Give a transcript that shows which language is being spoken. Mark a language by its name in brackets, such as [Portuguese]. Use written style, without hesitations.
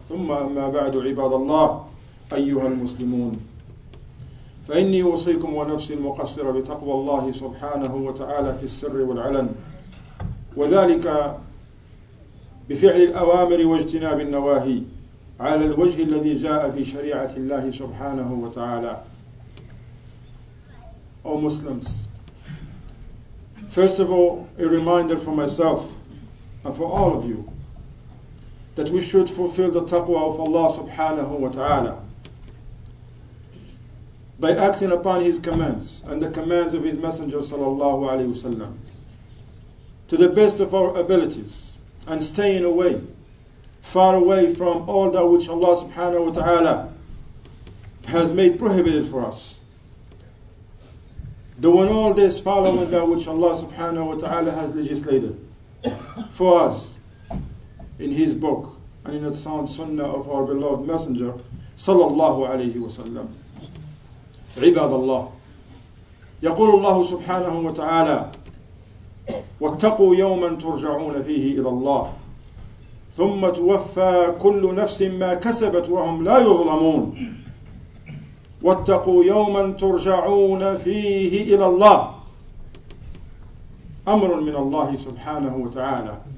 [Arabic] ثم أما بعد عباد الله أيها المسلمون فإني أوصيكم ونفسي المقصرة بتقوى الله سبحانه وتعالى في السر والعلن وذلك بفعل الأوامر واجتناب النواهي على الوجه الذي جاء في شريعة الله سبحانه وتعالى. [English] O Muslims, first of all, a reminder for myself and for all of you that we should fulfill the taqwa of Allah subhanahu wa ta'ala by acting upon His commands and the commands of His Messenger sallallahu alayhi wa sallam to the best of our abilities and staying away far away from all that which Allah subhanahu wa ta'ala has made prohibited for us. Doing all this following that which Allah subhanahu wa ta'ala has legislated for us in His book and in the sound sunnah of our beloved Messenger sallallahu alayhi wa sallam. [Arabic] عباد الله يقول الله سبحانه وتعالى واتقوا يوما ترجعون فيه إلى الله ثم توفى كل نفس ما كسبت وهم لا يظلمون واتقوا يوما ترجعون فيه إلى الله أمر من الله سبحانه وتعالى.